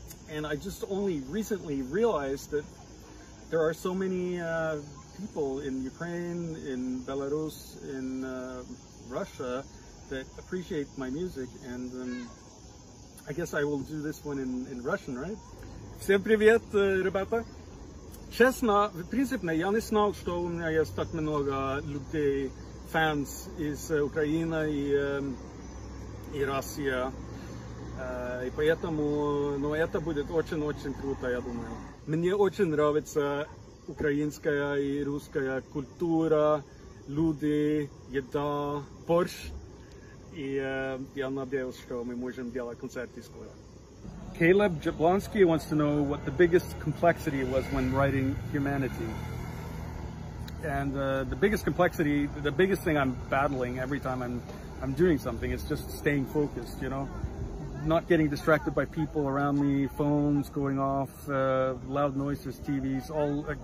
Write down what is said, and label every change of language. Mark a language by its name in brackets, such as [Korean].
[English] And I just only recently realized that there are so many people in Ukraine, in Belarus, in Russia that appreciate my music. And I guess I will do this one in Russian, right? [Russian] Всем привет, ребята! Честно, в принципе, я не знал, что у меня есть так много людей, фанс из Украины и Россия. И поэтому, но это будет очень-очень круто, я думаю. Мне очень нравится украинская и русская культура, люди, еда, борщ. И я надеюсь, что мы можем делать концерты скоро. [English] Caleb Jablonski wants to know what the biggest complexity was when writing Humanity. And the biggest complexity, the biggest thing I'm battling every time I'm doing something is just staying focused, you know? Not getting distracted by people around me, phones going off, loud noises, TVs, all.